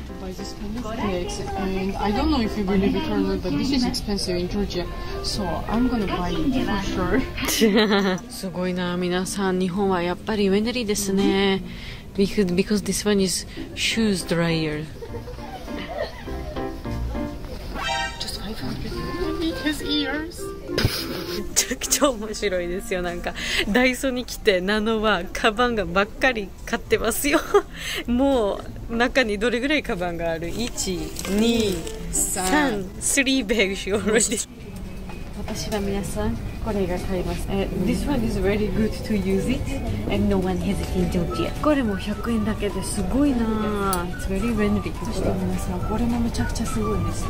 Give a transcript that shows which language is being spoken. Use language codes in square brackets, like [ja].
[en] This kind of bags, and I don't know if you believe it or not, but this is expensive in Georgia, so I'm gonna buy it for sure. [ja] すごいな、皆さん、日本はやっぱりウェネリーですね。 [en] Because this one is shoes dryer. Just 500 ears. [ja] めちゃくちゃ面白いですよ。なんかダイソーに来てナノはカバンがばっかり買ってますよ。もう中にどれぐらいカバンがある？1、2、3、 [en] 3 bags already。 [ja] 私は皆さんこれが買います。 [en] This one is very good to use it and no one has it in Georgia. [ja] これも100円だけですごいな。 [en] It's very friendly. [ja] そして皆さんこれもめちゃくちゃすごいですね。